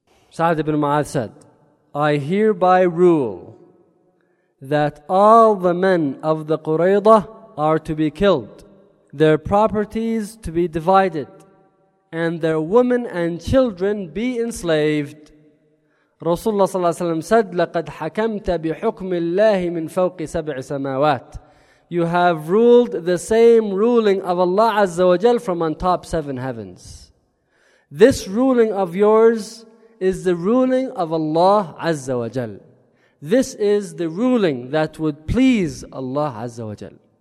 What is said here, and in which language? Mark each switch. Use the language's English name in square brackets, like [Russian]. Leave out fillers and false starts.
[English] Sa'd ibn Mu'adh said, I hereby rule that all the men of the Qurayza are to be killed, their properties to be divided, and their women and children be enslaved. [Arabic] Rasulullah sallallahu alaihi wasallam said, لَقَدْ حَكَمْتَ بِحُكْمِ اللَّهِ مِنْ فَوْقِ سَبْعِ سَمَاوَاتٍ. [English] You have ruled the same ruling of Allah Azza wa Jal from on top seven heavens. This ruling of yours is the ruling of Allah Azza wa Jal. This is the ruling that would please Allah Azza wa Jal.